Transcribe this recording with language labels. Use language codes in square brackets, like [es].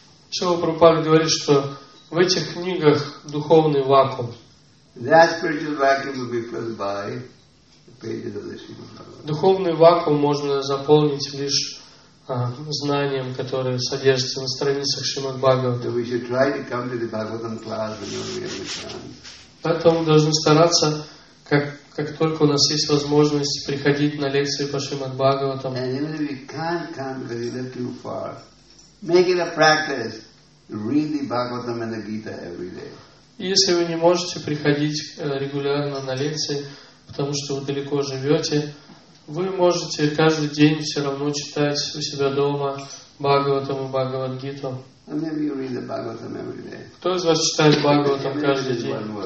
[ru] Шрила Прабхупада говорит, что в этих книгах духовный вакуум. [en] That spiritual vacuum will be filled by the pages of the Srimad Bhagavatam. [ru] Духовный вакуум можно заполнить лишь знанием, которое содержится на страницах Шримад Бхагаватам. [en] So we should try to come to the Bhagavatam class whenever we have the time. [ru] Поэтому мы должны стараться, как только у нас есть возможность, приходить на лекции по Шримад Бхагаватам. [en] And even if we can't come because we live too far, make it a practice to read the Bhagavatam and the Gita every day. [ru] Если вы не можете приходить регулярно на лекции, потому что вы далеко живете, вы можете каждый день все равно читать у себя дома Бхагаватам и Бхагавадгиту. Кто из вас читает Бхагаватам каждый день?